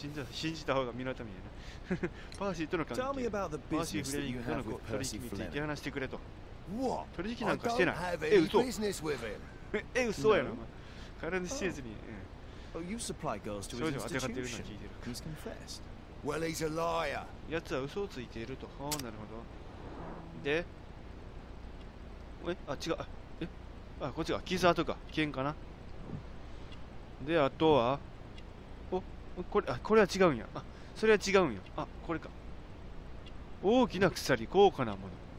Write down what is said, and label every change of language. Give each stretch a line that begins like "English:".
Japanese: 信じた方が身のためやな。パーシーとの関係。
English: Tell me about the business you have with Percy Fleming.
Japanese: 取引について話してくれと。
English: What?
Japanese: 取引なんかしてない。え、嘘。え、嘘やな。彼の施設に。
English: Oh, you supply girls to his institution. He's confessed. Well, he's a liar.
Japanese: やつは嘘をついていると。ほう、なるほど。で、え、あ、違う。え、あ、こっちが傷跡か、危険かな。で、あとは、お、これ、あ、これは違うんや。あ、それは違うんや。あ、これか。大きな鎖、高価なもの。